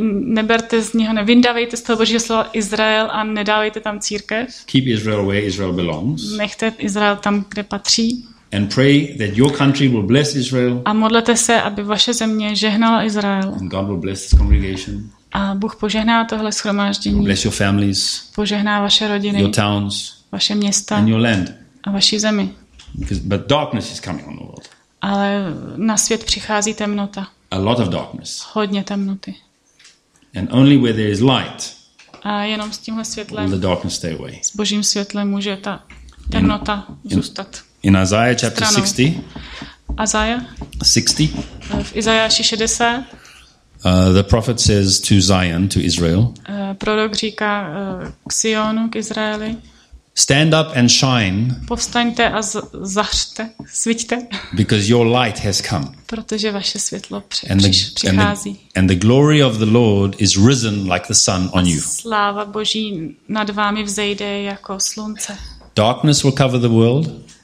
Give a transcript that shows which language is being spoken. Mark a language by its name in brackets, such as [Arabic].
[Czech] Neberte z něho, nevyndávejte z toho Božího slova Izrael a nedávejte tam církev. [English] Keep Israel where Israel belongs. [Czech] Nechte Izrael tam, kde patří. [English] And pray that your country will bless Israel. [Czech] A modlete se, aby vaše země žehnala Izrael. [English] And God will bless this congregation. [Czech] A Bůh požehná tohle shromáždění. [English] Bless your families. [Czech] Požehná vaše rodiny. [English] Your towns. [Czech] Vaše města. [English] And your land. [Czech] A vaši zemi. [English] But darkness is coming on the world. [Czech] Ale na svět přichází temnota. [English] A lot of darkness. [Czech] Hodně temnoty. [English] And only where there is light. [Czech] A jenom s tímhle světlem. [English] Will the darkness stay away. [Czech] S Božím světlem může ta temnota zůstat. [English] In Isaiah chapter 60. Isaiah. 60. [Czech] V Izajáši 60. [English] The prophet says to Zion, to Israel. [Czech] Prorok říká k Sionu, k Izraeli. [English] Stand up and shine. [Czech] Povstaňte a zahřte, svítte. [English] Because your light has come. [Czech] Protože vaše světlo přichází. [English] And the glory of the Lord is risen like the sun on you. [Czech] Sláva Boží nad vámi vzejde jako slunce. [English] Darkness will cover the world.